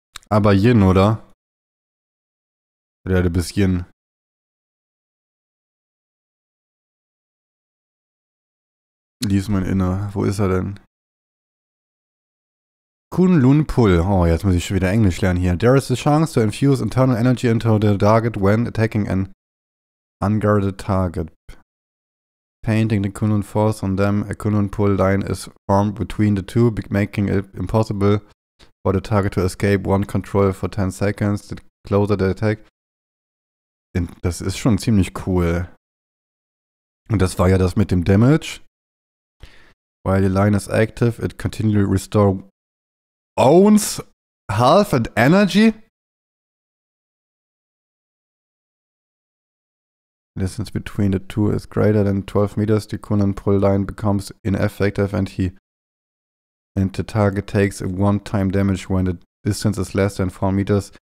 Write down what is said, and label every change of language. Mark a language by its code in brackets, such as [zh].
[de] Aber Yin, oder? Ja, du bist Yin. Lies mein Inner. Wo ist er denn? Kun Lun Pul. Oh, jetzt muss ich schon wieder Englisch lernen hier. [en] There is a chance to infuse internal energy into the target when attacking an unguarded target. Painting the Kun Lun force on them, a Kun Lun Pul line is formed between the two, making it impossible for the target to escape one control for 10 seconds. The closer the attack. [de] Das ist schon ziemlich cool. Und das war ja das mit dem Damage. [en] While the line is active, it continually restores owns health and energy. Distance between the two is greater than 12 meters. The Kun Lun Pul line becomes ineffective and the target takes a one-time damage when the distance is less than 4 meters.